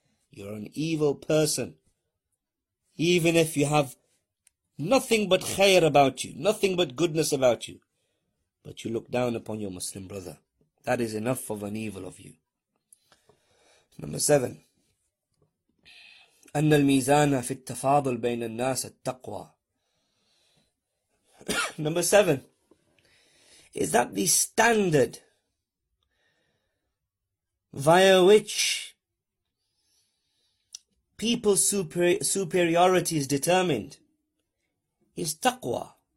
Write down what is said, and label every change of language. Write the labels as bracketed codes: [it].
[en] You're an evil person, even if you have nothing but khair about you, nothing but goodness about you, but you look down upon your Muslim brother. That is enough of an evil of you. Number seven. [ar] أن الميزان في التفاضل بين الناس التقوى. [en] Number seven is that the standard via which people's superiority is determined is taqwa.